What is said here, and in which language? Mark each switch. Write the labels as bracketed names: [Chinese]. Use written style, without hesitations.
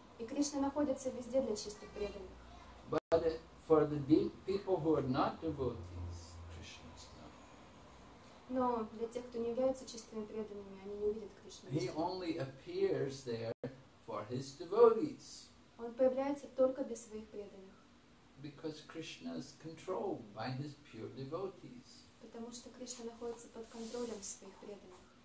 [Russian] И Кришна находится везде для чистых преданных. [English] But for the people who are not devotees, Krishna is not. [Russian] Но для тех, кто не являются чистыми преданными, они не видят Кришну. [English] He only appears there for his devotees. [Russian] Он появляется только для своих преданных. [English] Because Krishna is controlled by his pure devotees. [Russian] Потому что Кришна находится под контролем своих преданных.